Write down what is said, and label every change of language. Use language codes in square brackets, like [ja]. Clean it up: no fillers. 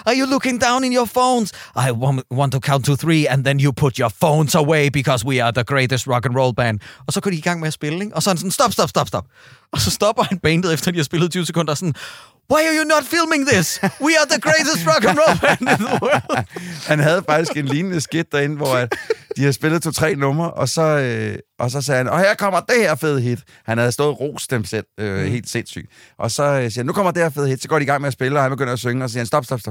[en] Are you looking down in your phones? I want to count to three, and then you put your phones away, because we are the greatest rock and roll band. [da] Og så går de i gang med at spille, ikke? Og så han sådan, stop. Og så stopper han bandet, efter de har spillet 20 sekunder, og sådan, [en] why are you not filming this? We are the greatest rock and roll band in the world. [da] Han havde faktisk en lignende skit derinde, hvor de har spillet 2-3 numre, og så sagde han, og her kommer det her fede hit. Han havde stået og rost dem selv, helt sindssygt. Og så siger han, nu kommer det her fede hit. Så går de i gang med at spille, og han begynder at synge, og siger han, stop.